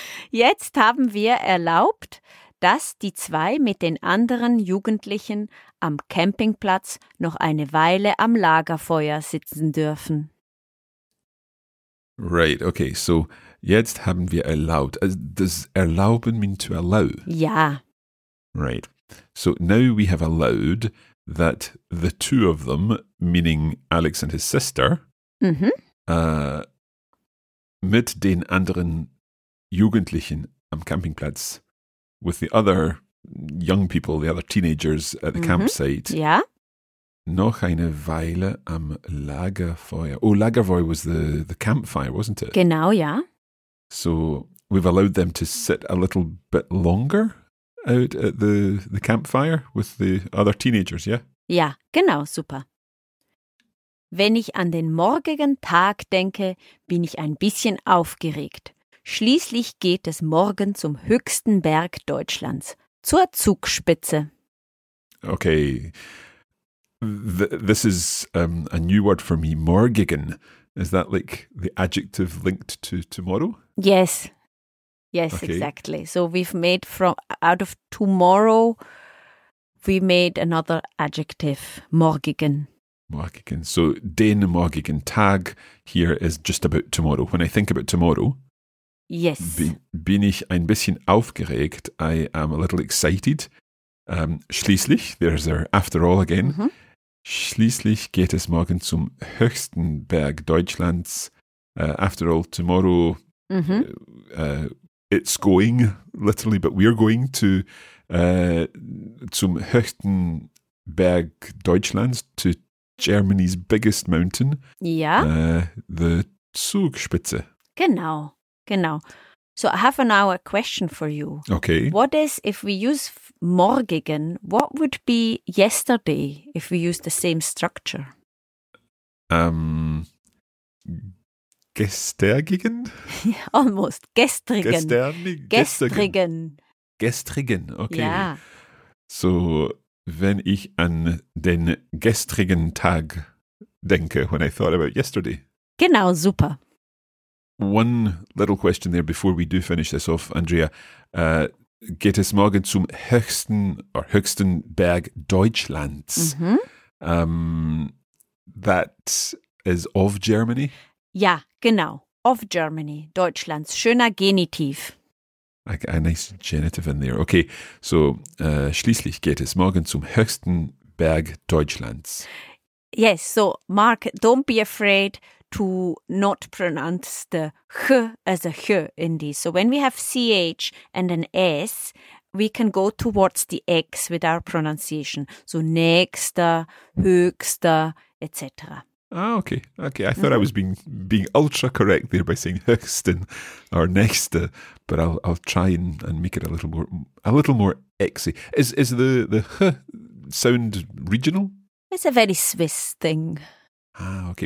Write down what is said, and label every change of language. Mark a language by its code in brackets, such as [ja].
[de] Jetzt haben wir erlaubt, dass die zwei mit den anderen Jugendlichen am Campingplatz noch eine Weile am Lagerfeuer sitzen dürfen. [en] Right, okay, so [de] jetzt haben wir erlaubt. [en] Does erlauben mean to allow? [de] Ja. [en] Right, so now we have allowed that the two of them, meaning Alex and his sister, mm-hmm. [de] Mit den anderen Jugendlichen am Campingplatz, [en] with the other young people, the other teenagers at the mm-hmm. campsite. [de] Ja. Noch eine Weile am Lagerfeuer. [en] Oh, Lagerfeuer was the campfire, wasn't it? [de] Genau, ja. [en] So we've allowed them to sit a little bit longer out at the campfire with the other teenagers, yeah? [de] Ja, genau, super. Wenn ich an den morgigen Tag denke, bin ich ein bisschen aufgeregt. Schließlich geht es morgen zum höchsten Berg Deutschlands, zur Zugspitze. [en] Okay, this is a new word for me, morgigen. Is that like the adjective linked to tomorrow? Yes, yes, okay. Exactly. So we've made from out of tomorrow, we made another adjective, morgigen. [de] Morgigen. [en] So den morgigen Tag here is just about tomorrow. When I think about tomorrow, yes. [de] Bin ich ein bisschen aufgeregt. [en] I am a little excited. Schließlich, there's our after all again. Mm-hmm. [de] Schließlich geht es morgen zum höchsten Berg Deutschlands. [en] After all, tomorrow, mm-hmm. It's going, literally, but we're going to [de] zum höchsten Berg Deutschlands, [en] to Germany's biggest mountain. [de] Ja. [en] The Zugspitze. [de] Genau. Genau. [en] So I have now a question for you. Okay. What is, if we use morgigen, what would be yesterday if we use the same structure? [de] Gestergigen? [en] Almost. Gestrigen. [de] Gestrigen. Gestrigen, okay. Ja. So, wenn ich an den gestrigen Tag denke, [en] when I thought about yesterday. [de] Genau, super. [en] One little question there before we do finish this off, Andrea. [de] Geht es morgen zum höchsten Berg Deutschlands? [en] Mm-hmm. That is of Germany? [de] Ja, genau. [en] Of Germany. [de] Deutschlands. Schöner Genitiv. [en] A nice genitive in there. Okay, so [de] schließlich geht es morgen zum höchsten Berg Deutschlands. [en] Yes, so Mark, don't be afraid to not pronounce the ch as a ch in this. So when we have ch and an s, we can go towards the x with our pronunciation. So nächster, höchster, etc. Ah, okay. Okay, I thought mm-hmm. I was being ultra correct there by saying höchsten or nächster, but I'll try and make it a little more x-y. Is the ch sound regional? It's a very Swiss thing. Ah, okay.